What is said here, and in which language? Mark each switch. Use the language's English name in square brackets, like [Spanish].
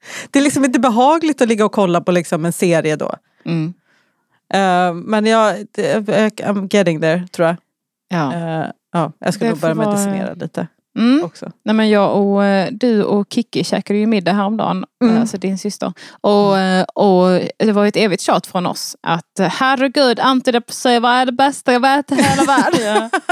[Swedish] Det är liksom inte behagligt att ligga och kolla på liksom en serie då. Mm. Men jag... [English] I'm getting there, [Swedish] tror jag. Ja. Jag ska nog börja medicinera lite. Också. Nej, men jag och du och Kiki käkade ju middag häromdagen, alltså din syster. Och det var ett evigt tjat från oss att herregud, antidepressiva är det bästa jag vet i hela världen. Ja.